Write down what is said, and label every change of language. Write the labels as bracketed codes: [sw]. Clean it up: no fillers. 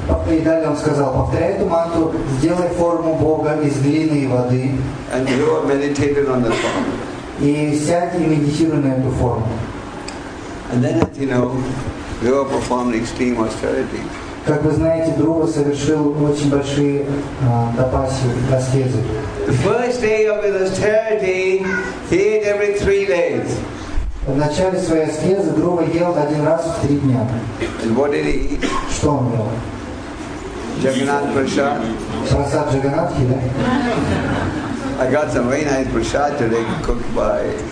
[ru] И далее он сказал, повторяй эту мантру, сделай форму Бога из глины и воды. [en] And you have meditated on the form. [ru] И сядь и медитируй на эту форму. [en] And then, you know, you have performed extreme austerity. [ru] Как вы знаете, Друва совершил очень большие тапасы, аскезы. [en] The first day of his austerity, he ate every 3 days. [ru] В начале своей аскезы Друва ел один раз в 3 дня. [en] And what did he eat? [ru] Что он ел? [en] Jagannath prasad. [ru] Prasad Jagannathi, да? [en] I got some very nice prasad today cooked by.